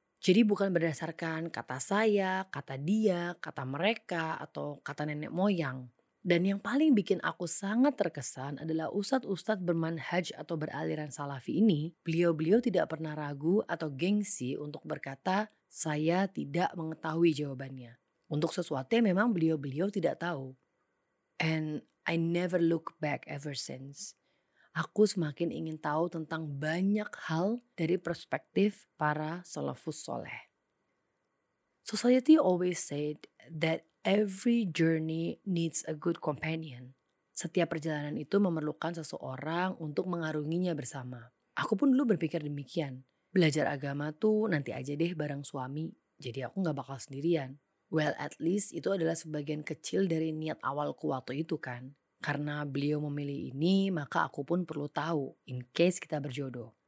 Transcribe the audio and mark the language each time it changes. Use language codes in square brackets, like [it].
[id] Jadi bukan berdasarkan kata saya, kata dia, kata mereka, atau kata nenek moyang. Dan yang paling bikin aku sangat terkesan adalah ustadz-ustadz bermanhaj atau beraliran salafi ini, beliau-beliau tidak pernah ragu atau gengsi untuk berkata, saya tidak mengetahui jawabannya. Untuk sesuatu yang memang beliau-beliau tidak tahu. [en] And I never look back ever since. [id] Aku semakin ingin tahu tentang banyak hal dari perspektif para salafus soleh. [en] Society always said that every journey needs a good companion. [id] Setiap perjalanan itu memerlukan seseorang untuk mengarunginya bersama. Aku pun dulu berpikir demikian. Belajar agama tuh nanti aja deh bareng suami, jadi aku gak bakal sendirian. [en] Well, at least [id] itu adalah sebagian kecil dari niat awalku waktu itu kan. Karena beliau memilih ini, maka aku pun perlu tahu [en] in case [id] kita berjodoh.